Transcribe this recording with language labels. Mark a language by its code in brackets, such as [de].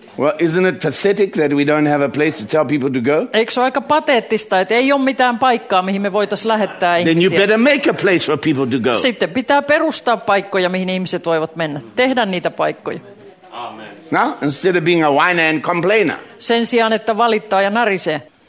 [en] Well, isn't it pathetic that we don't have a place to tell people to go? [fi] Eikö se ole aika pateettista, että ei ole mitään paikkaa, mihin me voitaisiin lähettää ihmisiä? [en] Then you better make a place for people to go. [fi] Sitten pitää perustaa paikkoja, mihin ihmiset voivat mennä. Tehdä niitä paikkoja. [en] Now, instead of being a whiner and complainer. [fi] Sen sijaan, että valittaa ja narisee.